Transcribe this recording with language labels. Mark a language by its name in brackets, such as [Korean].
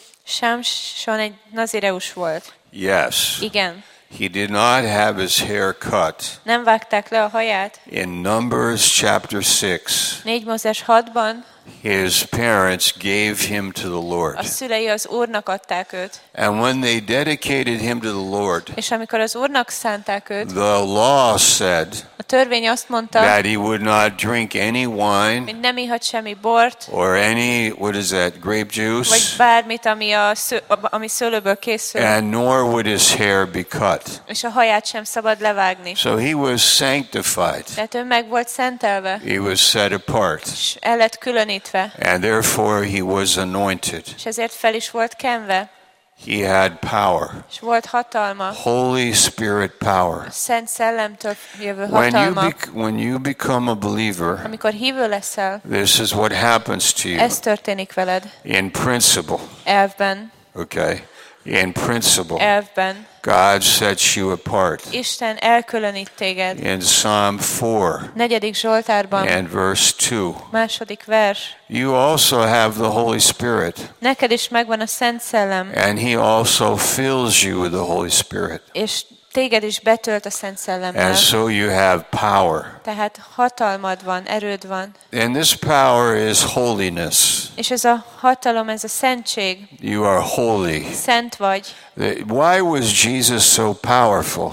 [Hungarian] Sámson egy nazireus volt. [English] Yes. [Hungarian] Igen. [English] He did not have his hair cut. [Hungarian] Nem vágták le a haját. [English] In Numbers chapter 6. [Hungarian] 4 Mózes 6-ban. [English] His parents gave him to the Lord. [Hungarian] A szülei az Úrnak adták őt. [English] And when they dedicated him to the Lord. [Hungarian] És amikor az Úrnak szánták őt. [English] The law said. [Hungarian] A törvény azt mondta. [English] That he would not drink any wine. [Hungarian] Hogy nem ihat semmi bort. [English] Or any, what is that, grape juice? [Hungarian] Vagy bármit, ami szőlőből készül. [English] And nor would his hair be cut. [Hungarian] És a haját sem szabad levágni. [English] So he was sanctified. [Hungarian] Tehát ő meg volt szentelve. [English] He was set apart. [Hungarian] És el lett külön. [English] And therefore he was anointed. [Hungarian] És ezért fel is volt kenve. [English] He had power. [Hungarian] És volt hatalma. [English] Holy Spirit power. [Hungarian] Szent Szellemtől jövő hatalma. [English] When you become a believer, [Hungarian] amikor hívő leszel, [English] this is what happens to you. [Hungarian] Ez történik veled. [English] In principle. [Hungarian] Elvben. [English] Okay. In principle. [Hungarian] Elvben. [English] God sets you apart. [Hungarian] Isten elkülönít téged. [English] In Psalm 4. [Hungarian] Negyedik Zsoltárban. [English] And verse 2. [Hungarian] Második vers. [English] You also have the Holy Spirit. [Hungarian] Neked is megvan a Szent Szellem. [English] And he also fills you with the Holy Spirit. [Hungarian] És téged is betölt a Szent Szellemmel. [English] And so you have power. [Hungarian] Tehát hatalmad van, erőd van. [English] And this power is holiness. [Hungarian] És ez a hatalom, ez a szentség. [English] You are holy. [Hungarian] Szent vagy. [English] Why was Jesus so powerful?